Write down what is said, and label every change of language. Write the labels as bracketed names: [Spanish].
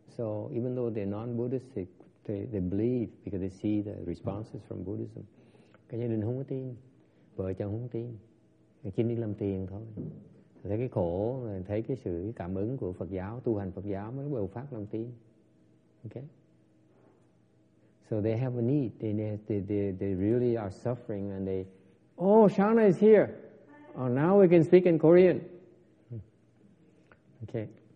[English] So even though they're non-Buddhist, they believe because they see the responses from Buddhism. [Vietnamese] Cái gia đình không có tin, vợ chồng không tin, chỉ đi làm tiền thôi. Thấy cái khổ, thấy cái sự cảm ứng của Phật giáo, tu hành Phật giáo mới bắt đầu phát lòng tin. Okay. [English] So they have a need. They really are suffering, and they, oh, Shana is here. Oh, now we can speak in Korean. Okay.